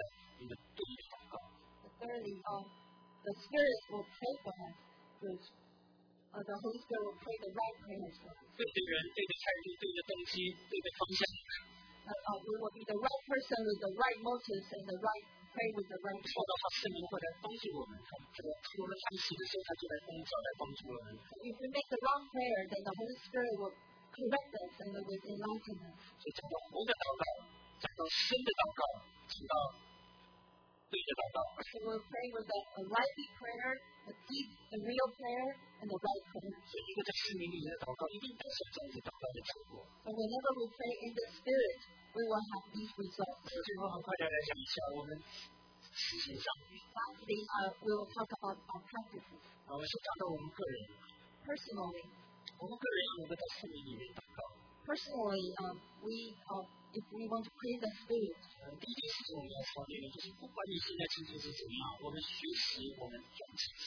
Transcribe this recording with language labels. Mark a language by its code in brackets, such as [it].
[en] Thirdly, the Spirit will pray for us, the Holy Spirit will pray the right prayers for us. [zh] 对的人，对的态度，对的动机，对的方向。 [en] We will be the right person with the right motives and the right pray with the right prayers. [zh] 说到他圣灵会来帮助我们，这个出了差事的时候，他就来工作来帮助我们。 [en] If we make the wrong prayer, then the Holy Spirit will correct us and will enlighten us. [zh] 所以讲到活的祷告，讲到新的祷告，讲到对的祷告。 [en] So we pray with a right prayer, a deep, a real prayer, and a right prayer. [zh] 所以一个在圣灵里面的祷告，一定都是这样子祷告的结果。 [en] So whenever we pray in the Spirit. We will have these results. [zh] 最后很快的来讲一下我们实践上。 [en] Lastly, we will talk about our practices. [zh] 我先讲到我们个人。 [en] Personally, [zh] 我们个人要如何在圣灵里面祷告。 [en] Personally, if we want to pray the Spirit. [zh] 第一件事情我们要说的就是，不管你现在情况是怎样，我们随时我们专心。